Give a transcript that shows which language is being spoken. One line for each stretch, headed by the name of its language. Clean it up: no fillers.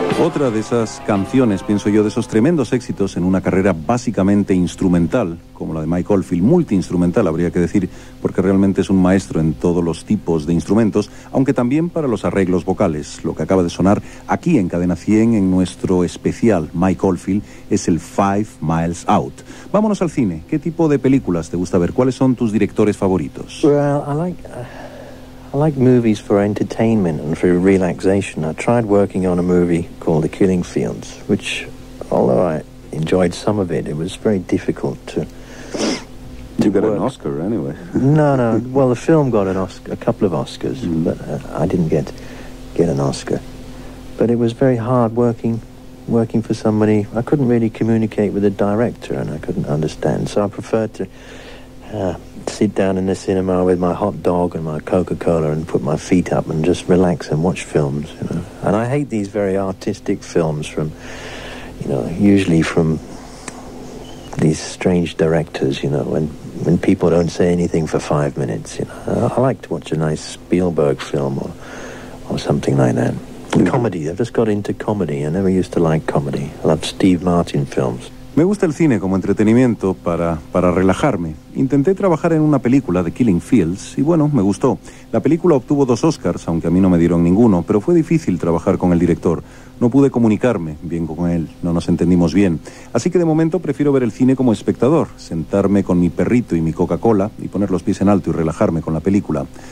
Spanish: otra de esas canciones, pienso yo, de esos tremendos éxitos en una carrera básicamente instrumental, como la de Mike Oldfield, multiinstrumental, habría que decir, porque realmente es un maestro en todos los tipos de instrumentos, aunque también para los arreglos vocales. Lo que acaba de sonar aquí en Cadena 100, en nuestro especial Mike Oldfield, es el Five Miles Out. Vámonos al cine. ¿Qué tipo de películas te gusta ver? ¿Cuáles son tus directores favoritos?
English: I like movies for entertainment and for relaxation. I tried working on a movie called The Killing Fields, which, although I enjoyed some of it, it was very difficult to... You got work. An Oscar, anyway. No. Well, the film got a couple of Oscars, but I didn't get an Oscar. But it was very hard working for somebody. I couldn't really communicate with the director, and I couldn't understand. So I preferred to... sit down in the cinema with my hot dog and my Coca-Cola and put my feet up and just relax and watch films, you know. And I hate these very artistic films from, you know, usually from these strange directors, you know, when people don't say anything for 5 minutes, you know. I like to watch a nice Spielberg film or something like that. Mm-hmm. Comedy. I've just got into comedy. I never used to like comedy. I loved Steve Martin films.
Spanish: Me gusta el cine como entretenimiento para relajarme. Intenté trabajar en una película de Killing Fields y bueno, me gustó. La película obtuvo 2 Oscars, aunque a mí no me dieron ninguno, pero fue difícil trabajar con el director. No pude comunicarme bien con él, no nos entendimos bien. Así que de momento prefiero ver el cine como espectador, sentarme con mi perrito y mi Coca-Cola y poner los pies en alto y relajarme con la película.